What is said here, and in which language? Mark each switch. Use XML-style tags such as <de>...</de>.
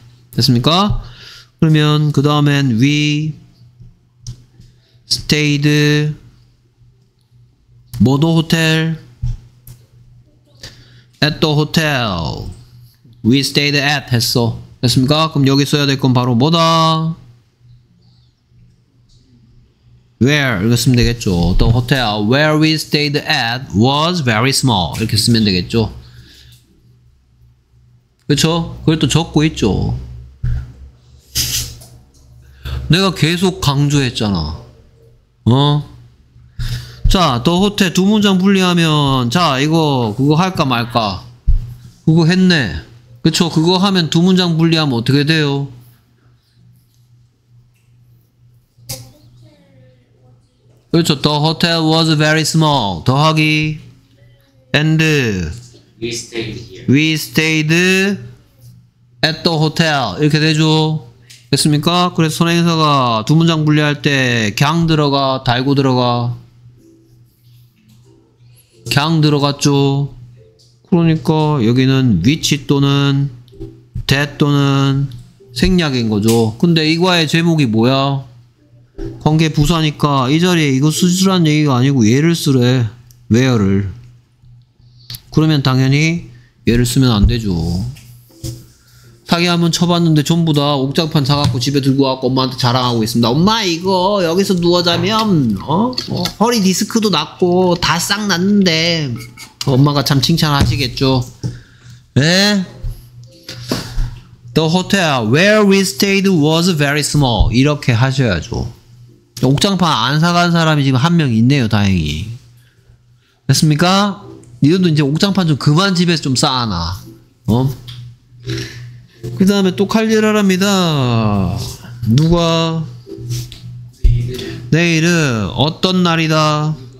<ko>됐습니까? 그러면 그 다음엔 we stayed 모도 호텔</ko> <en>at the hotel we stayed at</en> <ko>했어. 됐습니까? 그럼 여기 써야 될 건 바로 뭐다? where 이렇게 쓰면 되겠죠.</ko> <en>the hotel where we stayed at was very small</en> <ko>이렇게 쓰면 되겠죠. 그쵸? 그걸 또 적고 있죠. 내가 계속 강조했잖아. 어? 자, 더 호텔 두 문장 분리하면 자, 이거 그거 할까 말까 그거 했네. 그쵸? 그거 하면 두 문장 분리하면 어떻게 돼요? 그쵸?</ko> <en>The hotel was very small 더하기 and we stayed at the hotel</en> <ko>이렇게 되죠. 됐습니까? 그래서 선행사가 두 문장 분리할 때 걍 들어가 달고 들어가 걍 들어갔죠. 그러니까 여기는 위치 또는 대 또는 생략인 거죠. 근데 이과의 제목이 뭐야? 관계 부사니까 이 자리에 이거 쓰라는 얘기가 아니고 얘를 쓰래. 웨어를. 그러면 당연히 얘를 쓰면 안 되죠. 사기 한번 쳐봤는데 전부 다 옥장판 사갖고 집에 들고 와갖고 엄마한테 자랑하고 있습니다. 엄마 이거 여기서 누워 자면 허리 디스크도 났고 다 싹 났는데 엄마가 참 칭찬하시겠죠. 네?</ko> <en>The hotel where we stayed was very small</en> <ko>이렇게 하셔야죠. 옥장판 안 사간 사람이 지금 한 명 있네요. 다행히. 됐습니까? 니들도 이제 옥장판 좀 그만 집에서 좀 쌓아놔. 어? 그 다음에 또 칼질하랍니다. 누가 내일은 어떤 날이다?</ko>